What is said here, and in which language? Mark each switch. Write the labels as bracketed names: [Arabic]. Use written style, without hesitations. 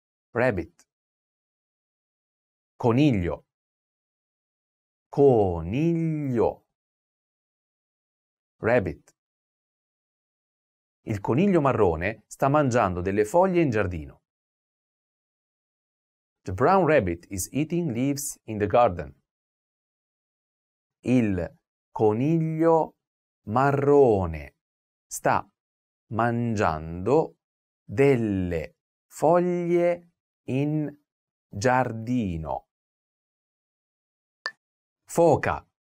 [English] Rabbit. Coniglio. [Italian] Coniglio. [English] Rabbit. [Italian] Il coniglio marrone sta mangiando delle foglie in giardino. [English] The brown rabbit is eating leaves in the garden. [Italian] Il coniglio marrone sta mangiando delle foglie in giardino. Foca.